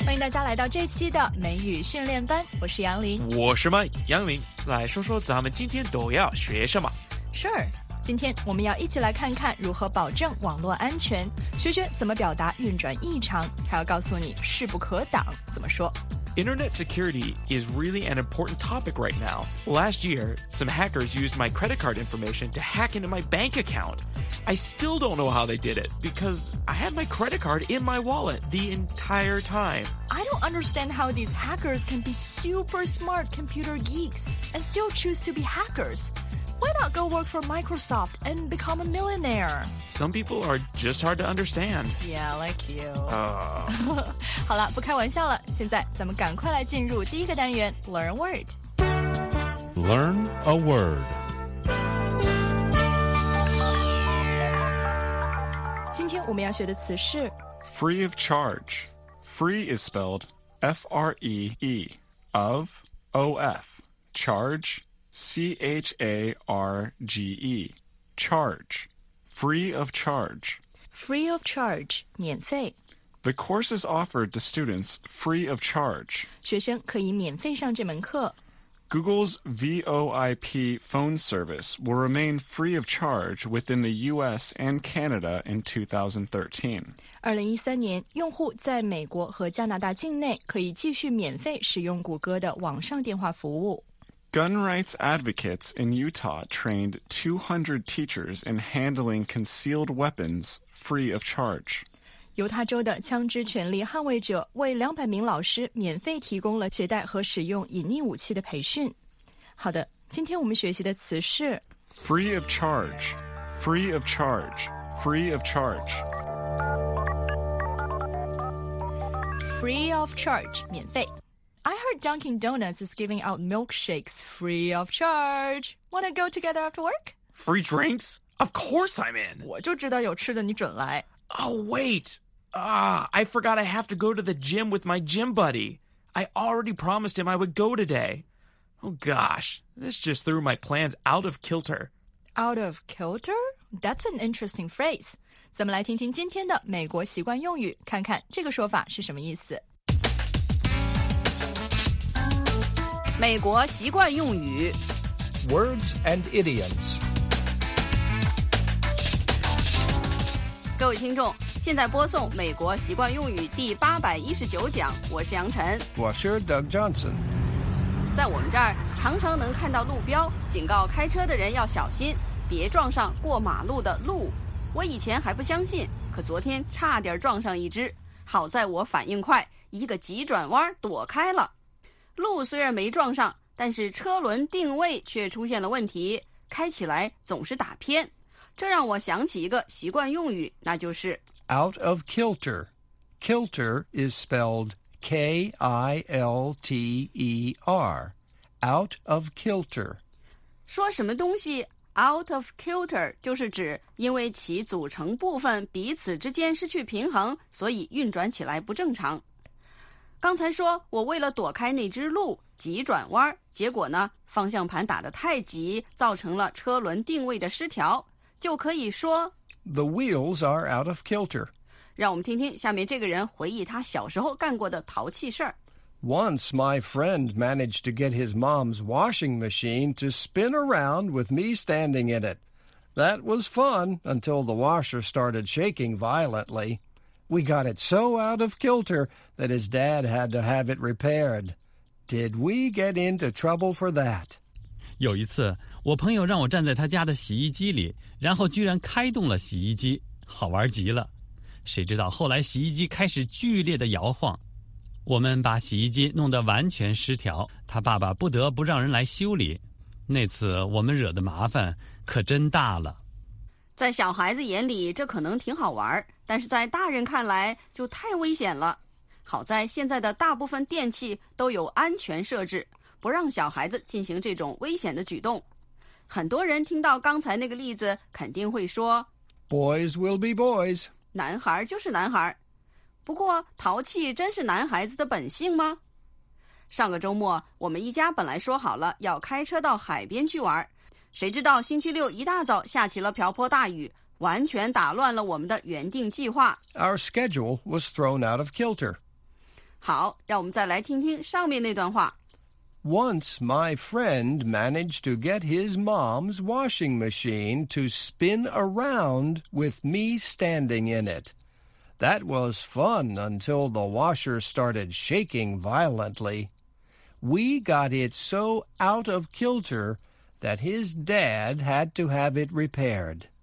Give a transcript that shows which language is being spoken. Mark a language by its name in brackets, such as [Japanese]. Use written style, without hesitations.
[Chinese] 家来到这期的美语训练班，我是杨林。我是麦杨林，来说说咱们今天都要学什么。 [English] Sure， [Chinese] 今天我们要一起来看看如何保证网络安全，学学怎么表达运转异常，还要告诉你势不可挡怎么说。 [English] Internet security is really an important topic right now. Last year, some hackers used my credit card information to hack into my bank account. I still don't know how they did it, because I had my credit card in my wallet the entire time. I don't understand how these hackers can be super smart computer geeks and still choose to be hackers. Why not go work for Microsoft and become a millionaire? Some people are just hard to understand. Yeah, like you. [Chinese] 好了，不开玩笑了，现在咱们赶快来进入第一个单元 [English] Learn Word. Learn a word. [Chinese] 今天我们要学的词是 [English] Free of charge. Free is spelled F-R-E-E. Of, O-F. ChargeCharge, charge, free of charge. Free of charge, 免费. The course is offered to students free of charge. [Chinese] 学生可以免费上这门课. [English] Google's VoIP phone service will remain free of charge within the U.S. and Canada in 2013. [Chinese] 2013年，用户在美国和加拿大境内可以继续免费使用谷歌的网上电话服务。 [English] Gun rights advocates in Utah trained 200 teachers in handling concealed weapons free of charge. [Chinese] 犹他州的枪支权利捍卫者为200名老师免费提供了携带和使用隐匿武器的培训。好的，今天我们学习的词是 [English] free of charge, free of charge, free of charge. Free of charge, 免费。 I heard Dunkin' Donuts is giving out milkshakes free of charge. Wanna go together after work? Free drinks? Of course I'm in. [Chinese] 我就知道有吃的你准来。 [English] Oh, wait. I forgot I have to go to the gym with my gym buddy. I already promised him I would go today. Oh, gosh. This just threw my plans out of kilter. Out of kilter? That's an interesting phrase. [Chinese] 咱们来听听今天的美国习惯用语，看看这个说法是什么意思。美国习惯用语 [English] Words and idioms. [Chinese] 各位听众，现在播送美国习惯用语第819讲，我是杨晨，我是 Doug Johnson。在我们这儿常常能看到路标警告开车的人要小心，别撞上过马路的鹿。我以前还不相信，可昨天差点撞上一只，好在我反应快，一个急转弯躲开了。路虽然没撞上，但是车轮定位却出现了问题，开起来总是打偏。这让我想起一个习惯用语，那就是 [English] out of kilter. Kilter is spelled K-I-L-T-E-R. Out of kilter. [Chinese] 说什么东西 out of kilter 就是指因为其组成部分彼此之间失去平衡，所以运转起来不正常。刚才说我为了躲开那只鹿急转弯，结果呢方向盘打得太急，造成了车轮定位的失调，就可以说 [English] The wheels are out of kilter. [Chinese] 让我们听听下面这个人回忆他小时候干过的淘气事儿。 [English] Once my friend managed to get his mom's washing machine to spin around with me standing in it. That was fun until the washer started shaking violently. We got it so out of kilter that his dad had to have it repaired. Did we get into trouble for that? [Chinese] 有一次，我朋友让我站在他家的洗衣机里，然后居然开动了洗衣机，好玩极了。谁知道后来洗衣机开始剧烈的摇晃，我们把洗衣机弄得完全失调，他爸爸不得不让人来修理。那次我们惹的麻烦可真大了。在小孩子眼里这可能挺好玩，但是在大人看来就太危险了。好在现在的大部分电器都有安全设置，不让小孩子进行这种危险的举动。很多人听到刚才那个例子肯定会说 [English] Boys will be boys. [Chinese] 男孩就是男孩。不过淘气真是男孩子的本性吗？上个周末我们一家本来说好了要开车到海边去玩，谁知道星期六一大早下起了瓢泼大雨，完全打乱了我们的原定计划。 [English] Our schedule was thrown out of kilter. [Chinese] 好，让我们再来听听上面那段话。 [English] Once my friend managed to get his mom's washing machine to spin around with me standing in it. That was fun until the washer started shaking violently. We got it so out of kilter that his dad had to have it repaired.